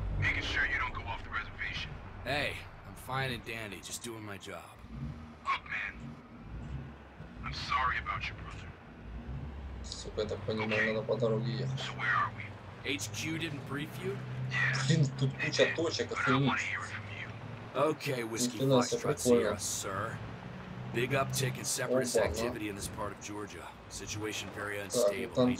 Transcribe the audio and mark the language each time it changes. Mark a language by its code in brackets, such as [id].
[en] Making sure you don't go off the reservation. Hey, I'm fine and dandy, just doing my job. Look, man. I'm sorry about your brother. [ru] Сука, я так понимаю, надо по дороге ехать. [en] So where are we? HQ didn't brief you? [ru] Блин, тут куча точек, охренеть. [en] Okay, Whiskey Foxtrot Sierra, sir. Big uptick in separatist activity in this part of Georgia. Situation very unstable.